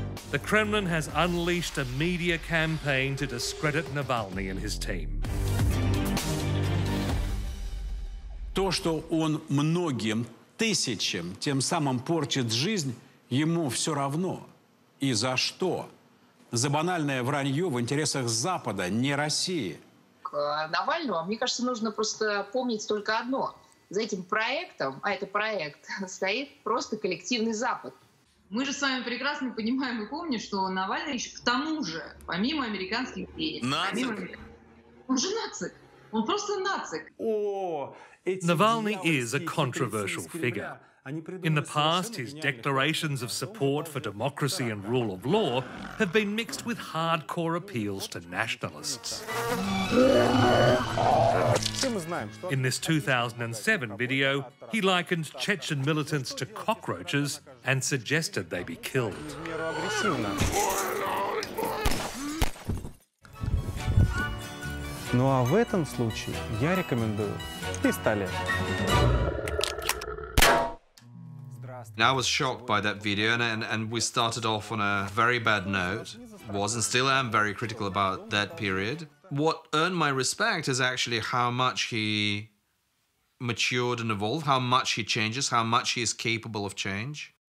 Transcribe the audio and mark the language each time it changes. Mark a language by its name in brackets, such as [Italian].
[English] The Kremlin has unleashed a media campaign to discredit Navalny and his team. [Russian] То, что он многим тысячам тем самым портит жизнь, ему все равно. И за что? За банальное вранье в интересах Запада, не России. К Навальному, мне кажется, нужно просто помнить только одно. За этим проектом, а это проект, стоит просто коллективный Запад. Мы же с вами прекрасно понимаем и помним, что Навальный еще к тому же, помимо американских денег, он же нацик, он просто нацик. [English] Навальный is a controversial figure. In the past, his declarations of support for democracy and rule of law have been mixed with hardcore appeals to nationalists. In this 2007 video, he likened Chechen militants to cockroaches and suggested they be killed. [Russian] Ну а в этом случае я рекомендую пистолет. [English] Now I was shocked by that video, and we started off on a very bad note. Was and still am very critical about that period. What earned my respect is actually how much he matured and evolved, how much he changes, how much he is capable of change.